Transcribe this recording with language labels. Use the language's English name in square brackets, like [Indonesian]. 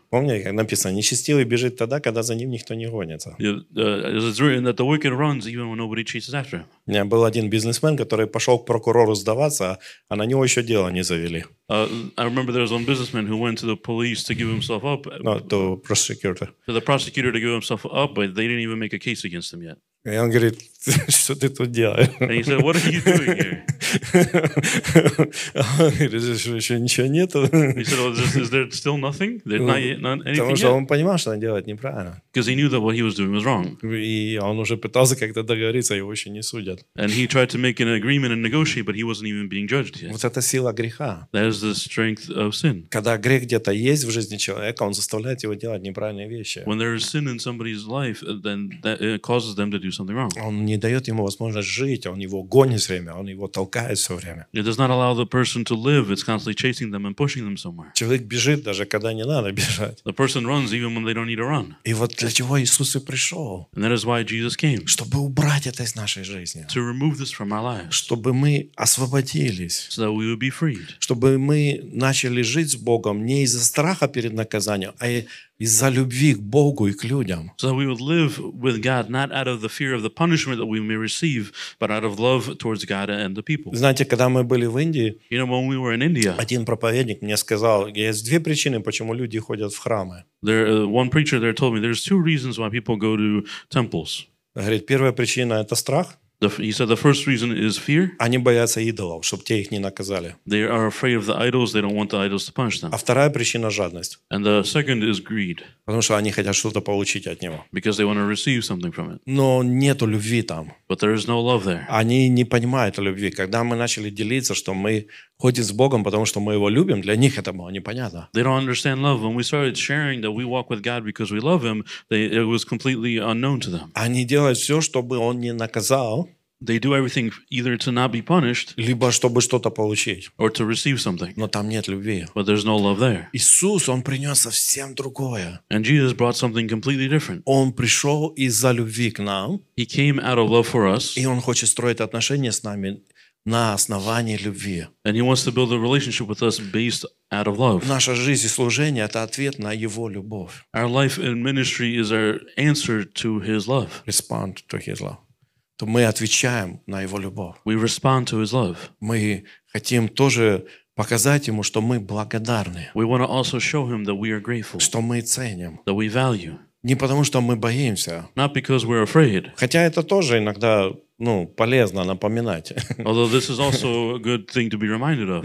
[Russian] Помни, как написано, нечестивый бежит тогда, когда за ним никто не гонится. [English] It's written that the wicked runs even when nobody chases after him. [Russian] У меня был один бизнесмен, который пошел к прокурору сдаваться, а на него еще дело не завели. [English] I remember there was one businessman who went to the police to give himself up. No, to prosecutor. To the prosecutor to give himself up, but they didn't even make a case against him yet. [Russian] И он говорит, что ты тут делаешь? [English] And he said, what are you doing here? [Russian] Он говорит, что еще ничего нету. [English] He said, well, is there still nothing? [Russian] Потому что он понимал, что он делает неправильно. [English] Because he knew that what he was doing was wrong. [Russian] И он уже пытался как-то договориться, его еще не судят. [English] And he tried to make an agreement and negotiate, but he wasn't even being judged yet. [Russian] Вот это сила греха. [English] That is the strength of sin. [Russian] Когда грех где-то есть в жизни человека, он заставляет его делать неправильные вещи. [English] When there is sin in somebody's life, then that causes them to do something wrong. [Russian] Он не дает ему возможность жить, он его гонит все время, он его толкает все время. [English] It does not allow the person to live, it's constantly chasing them and pushing them somewhere. [Russian] Человек бежит, даже когда не надо бежать. [English] The person runs even when they don't need to run. [Russian] И вот для чего Иисус и пришел. [English] And that is why Jesus came. [Russian] Чтобы убрать это из нашей жизни. [English] To remove this from our lives. [Russian] Чтобы мы освободились. [English] So that we would be freed. [Russian] Чтобы мы начали жить с Богом не из-за страха перед наказанием, а из-за любви к Богу и к людям. [English] So that we would live with God not out of the fear of the punishment that we may receive, but out of love towards God and the people. [Russian] Знаете, когда мы были в Индии, [English] you know, when we were in India, [Russian] один проповедник мне сказал, есть две причины, почему люди ходят в храмы. [English] There, one preacher there told me, there's two reasons why people go to temples. [Russian] Говорит, первая причина – это страх. [English] He said the first reason is fear. [Russian] Они боятся идолов, чтобы те их не наказали. [English] They are afraid of the idols. They don't want the idols to punish them. [Russian] А вторая причина – жадность. [English] And the second is greed. [Russian] Потому что они хотят что-то получить от него. [English] Because they want to receive something from it. [Russian] Но нету любви там. [English] But there is no love there. [Russian] Они не понимают любви. Когда мы начали делиться, что мы ходим с Богом, потому что мы его любим, для них это было непонятно. [English] They don't understand love. When we started sharing that we walk with God because we love Him, it was completely unknown to them. [Russian] Они делают все, чтобы Он не наказал. [English] They do everything either to not be punished, [Russian] либо чтобы что-то получить, [English] or to receive something. [Russian] Но там нет любви. [English] But there's no love there. [Russian] Иисус, Он принес совсем другое. [English] And Jesus brought something completely different. [Russian] Он пришел из-за любви к нам. [English] He came out of love for us. [Russian] И Он хочет строить отношения с нами на основании любви. [English] And He wants to build a relationship with us based out of love. [Russian] Наша жизнь и служение – это ответ на Его любовь. [English] Our life and ministry is our answer to His love. Respond to His love. [Russian] То мы отвечаем на Его любовь. [English] We respond to His love. [Russian] Мы хотим тоже показать Ему, что мы благодарны. [English] We want to also show Him that we are grateful. [Russian] Что мы ценим. [English] That we value. [Russian] Не потому, что мы боимся. [English] Not because we're afraid. [Russian] Хотя это тоже иногда, ну, полезно напоминать. [English] Although this is also a good thing to be reminded of.